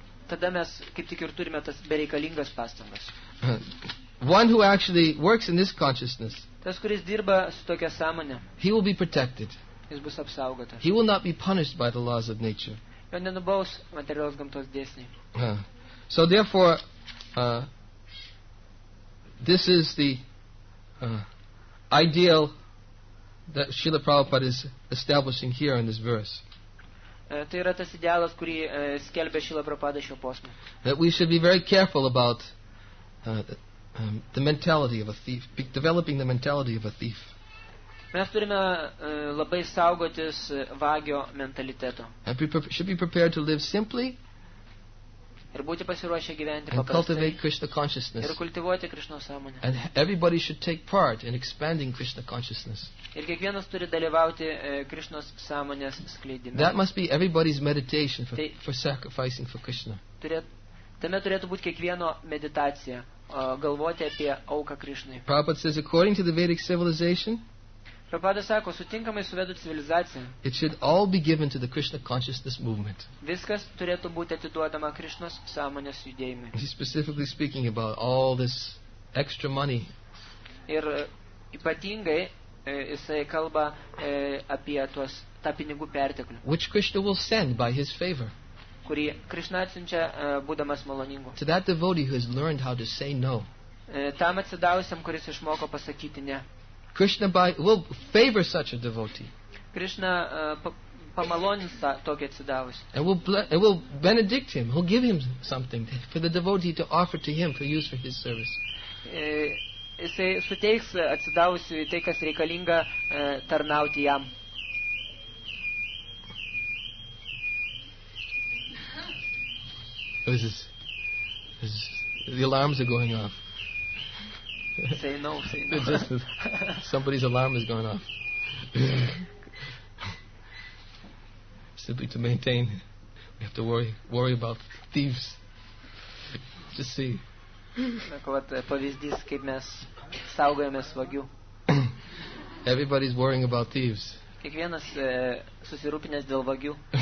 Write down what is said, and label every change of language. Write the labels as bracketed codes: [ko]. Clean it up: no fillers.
[lt] Tada mes kaip tik ir turime tas bereikalingas pastangas. [en] One who actually works in this consciousness, [lt] tas, kuris dirba su tokia sąmonė, [en] he will be protected. [lt] Jis bus apsaugotas. [en] He will not be punished by the laws of nature. [lt] Jo nenubaus materialios gamtos dėsniai. [en] So therefore, this is the ideal that Srila Prabhupada is establishing here in this verse. [lt] Tai yra tas idealas, kurį skelbia Šrila Prabhupada šio posmo. [en] That we should be very careful about the mentality of a thief, developing the mentality of a thief. [lt] Mes turime labai saugotis vagio mentaliteto. [en] And should be prepared to live simply. [lt] Ir būti pasiruošę gyventi paprastai. [en] And cultivate Krishna consciousness. [lt] Ir kultivuoti Krishna sąmonę. [en] And everybody should take part in expanding Krishna consciousness. [lt] Ir kiekvienas turi dalyvauti Krishnos sąmonės skleidime. [en] That must be everybody's meditation for sacrificing for Krishna. [lt] Tame turėtų būti kiekvieno meditacija, galvoti apie auką Krishnai. [en] Prabhupada says, according to the Vedic civilization, [lt] Prabhupada sako, sutinkamai su vedų civilizacija. [en] It should all be given to the Krishna consciousness movement. [lt] Viskas turėtų būti atiduodama Krishnos sąmonės judėjimui. [en] He's specifically speaking about all this extra money. [lt] Ir ypatingai jisai kalba apie tą pinigų perteklių. [en] Which Krishna will send by his favor. [lt] Kurį Krishna atsiunčia būdamas maloningu. [en] To that devotee who has learned how to say no. [lt] Tam atsidavusiam, kuris išmoko pasakyti ne. [en] Krishna will favor such a devotee. [lt] Krishna pamalonins tokį atsidavusį. [en] And will benedict him. He'll give him something for the devotee to offer to him for use for his service. [lt] Jisai suteiks atsidavusiui tai, kas reikalinga tarnauti jam. [en] This is the alarms are going off. Say no. Just, somebody's alarm is going off. Simply to maintain, we have to worry about thieves. Just see. What [lt] pavyzdys, kaip mes saugojamės vagių. [en] Everybody's worrying about thieves. [lt] Kiekvienas susirūpinęs dėl vagių.